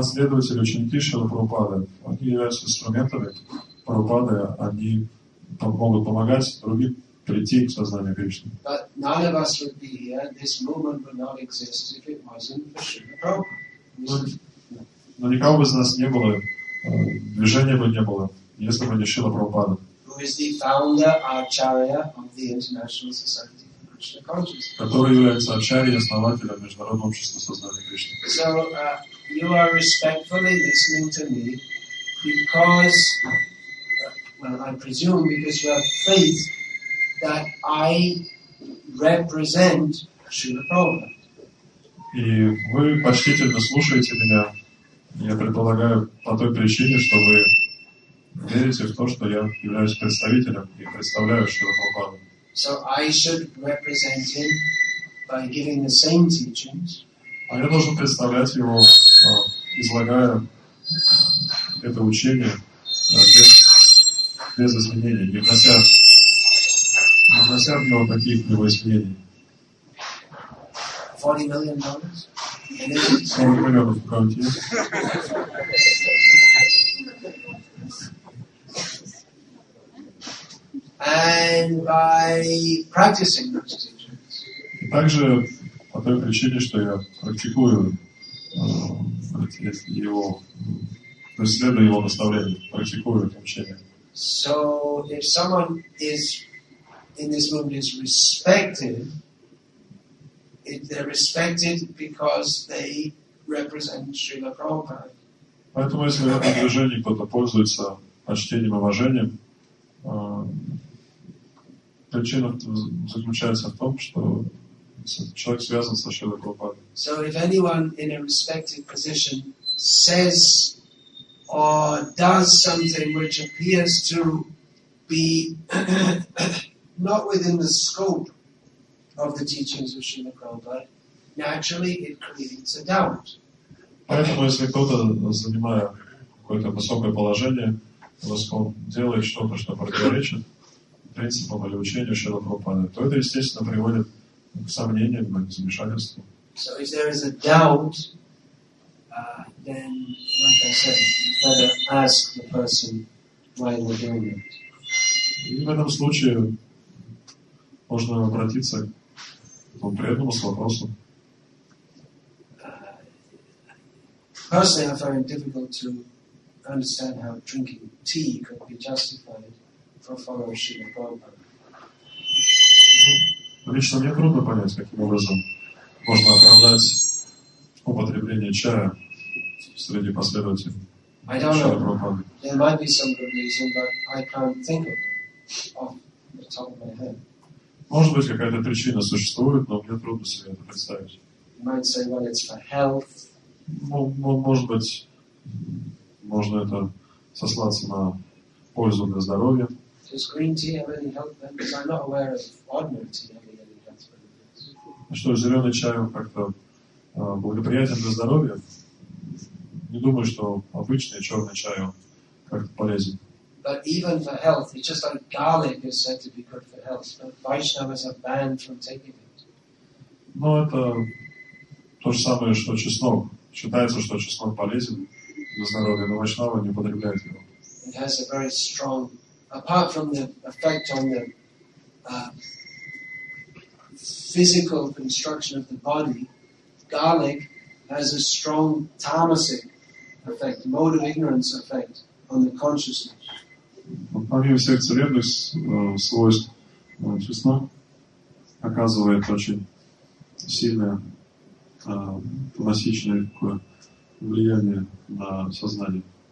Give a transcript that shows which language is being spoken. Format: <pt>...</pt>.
<ru>Последователи, ученики Шрилы Прабхупады, они являются инструментами Прабхупады, они могут помогать другим прийти к сознанию Кришны.</ru> <en>But none of us would be here, this movement would not exist if it wasn't for Srila Prabhupada.</en> <ru>Но никого бы из нас не было, движения бы не было, если бы не Шрила Прабхупада.</ru> <en>Who is the founder, Acharya of the International Society.</en> <ru>Который является ачарьей и основателем Международного общества сознания Кришны.</ru> <en>So, you are respectfully listening to me because, well, I presume because you have faith that I represent Srila Prabhupada.</en> <ru>И вы почтительно слушаете меня, я предполагаю, по той причине, что вы верите в то, что я являюсь представителем и представляю Шрилу Прабхупаду.</ru> <en>So I should represent him by giving the same teachings.</en> <ru>А я должен представлять его, излагая это учение без изменений, не внося в него таких его изменений.</ru> <en>$40 million?</en> <ru>40 миллионов в аккаунте.</ru> <en>And by practicing those teachings.</en> <ru>И также по той причине, что я практикую его, преследую его наставление, практикую это учение.</ru> <en>So if someone is in this movement is respected, if they're respected because they represent Srila Prabhupada.</en> <ru>Поэтому если в этом движении кто-то пользуется почтением и уважением, причина заключается в том, что человек связан со Шрилой Прабхупадой.</ru> <en>So if anyone in a respected position says or does something which appears to be not within the scope of the teachings of Srila Prabhupada, naturally it creates a doubt.</en> <ru>Поэтому если кто-то, занимая какое-то высокое положение, делает что-то, что противоречит принципам или учению Шрилы Прабхупады, то это, естественно, приводит к сомнениям и замешательству.</ru> <en>So if there is a doubt, then, like I said, you better ask the person why they're doing it.</en> <ru>И в этом случае можно обратиться к этому преданному с вопросом.</ru> <en>Personally, I find it difficult to understand how drinking tea could be justified for following Prabhupada.</en> <ru>Лично мне трудно понять, каким образом можно оправдать употребление чая среди последователей.</ru> <en>I don't know. There might be some good reason, but I can't think of it off the top of my head.</en> <ru>Может быть, какая-то причина существует, но мне трудно себе это представить.</ru> <en>You might say, well, it's for health.</en> <ru>Может быть, можно это сослаться на пользу для здоровья.</ru> <en>Does green tea have any health benefits? I'm not aware of ordinary tea having any health benefits.</en> <ru>Что, зеленый чай как-то благоприятен для здоровья? Не думаю, что обычный черный чай как-то полезен.</ru> <en>But even for health, it's just like garlic is said to be good for health, but Vaishnavas are banned from taking it.</en> <ru>Но это то же самое, что чеснок. Считается, что чеснок полезен для здоровья, но вайшнава не употребляет его.</ru> <en>It has a very strong, apart from the effect on the physical construction of the body, garlic has a strong tamasic effect, mode of ignorance effect on the consciousness.</en> <ru>Помимо всех целебных свойств, чеснок оказывает очень сильное тамасичное влияние на сознание.</ru>